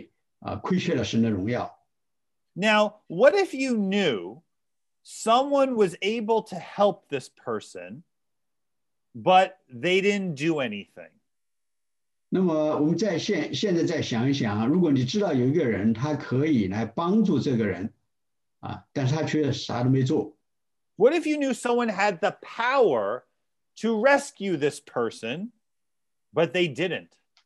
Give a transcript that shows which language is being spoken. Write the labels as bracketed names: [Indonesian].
[Chinese] 就像圣经上所说,世人都犯了罪,所有的人都犯了罪,亏缺了神的荣耀。 [English] Now, what if you knew someone was able to help this person, but they didn't do anything? [Chinese] 那么我们现在想一想,如果你知道有一个人,他可以来帮助这个人,但是他却啥都没做。 [English] What if you knew someone had the power to rescue this person, but they didn't?